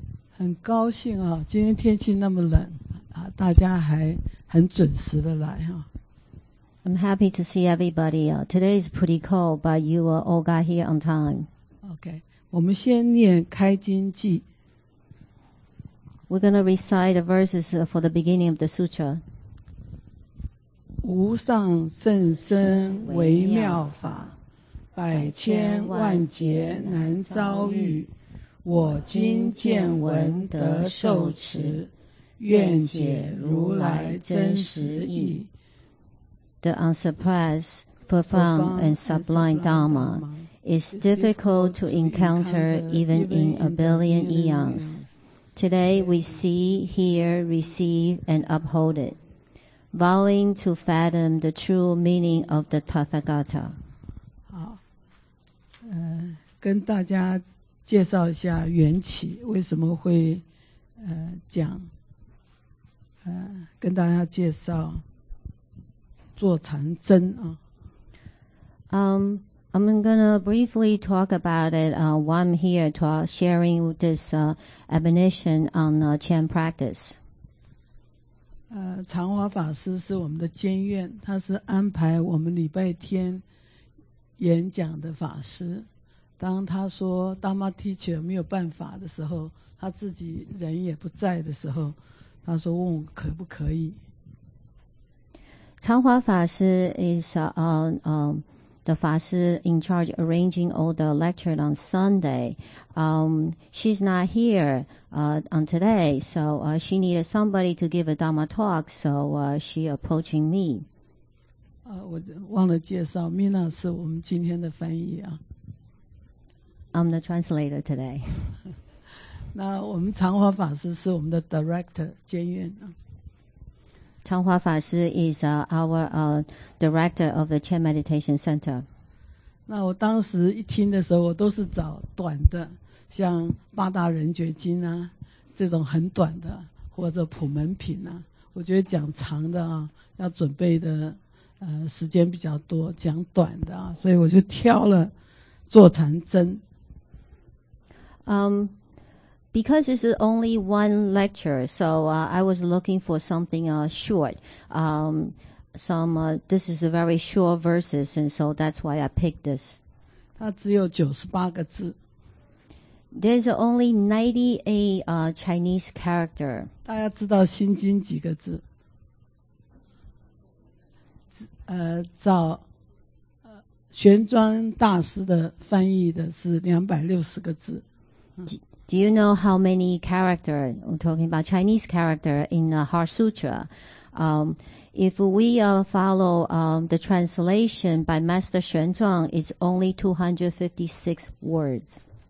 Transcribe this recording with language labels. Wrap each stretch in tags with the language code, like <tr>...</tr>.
<zh>很高兴啊，今天天气那么冷啊，大家还很准时的来哈。</zh> <en>I'm happy to see everybody. Today is pretty cold, but you all got here on time.</en> <zh>Okay, 我们先念开经记。</zh> <en>We're gonna recite the verses for the beginning of the sutra.</en> <zh>无上甚深微妙法。百千万劫难遭遇，我今见闻得受持，愿解如来真实义。</zh> <en>The unsurpassed, profound and sublime Dharma is difficult to encounter even in a billion eons. Today we see, hear, receive and uphold it, vowing to fathom the true meaning of the Tathagata.</en> <zh>跟大家介绍一下缘起，为什么会讲跟大家介绍坐禅真啊。</zh> <en>I'm gonna briefly talk about it while I'm here to sharing this admonition on Chan practice.</en> <zh>禅华法师是我们的监院，他是安排我们礼拜天演讲的法师。当他说</zh> <en>Dharma teacher</en> <zh>没有办法的时候，他自己人也不在的时候，他说问我可不可以。</zh> <en>长华法师 is the 法师 in charge arranging all the lectures on Sunday. She's not here on today, so she needed somebody to give a Dharma talk, so she approaching me.</en> <zh>我忘了介绍 Mina 是我们今天的翻译啊。</zh> <en>I'm the translator today.</en> <zh>那我们长华法师是我们的 director 监院。</zh> <en>长华法师 is our director of the Chan Meditation Center.</en> <zh>那我当时一听的时候，我都是找短的，像八大人觉经啊这种很短的，或者普门品啊。我觉得讲长的啊，要准备的时间比较多，讲短的啊，所以我就挑了坐禅真。</zh> <en>Because this is only one lecture, so I was looking for something short. This is a very short verses, and so that's why I picked this.</en> <zh>它只有98个字。</zh> <en>There's only 98 Chinese character.</en> <zh>大家知道《心经》几个字？找玄奘大师的翻译的是260个字。</zh> <en>Do you know how many characters, we're talking about Chinese character in the Heart Sutra? If we follow the translation by Master Xuan Zhuang, it's only 256 words.</en>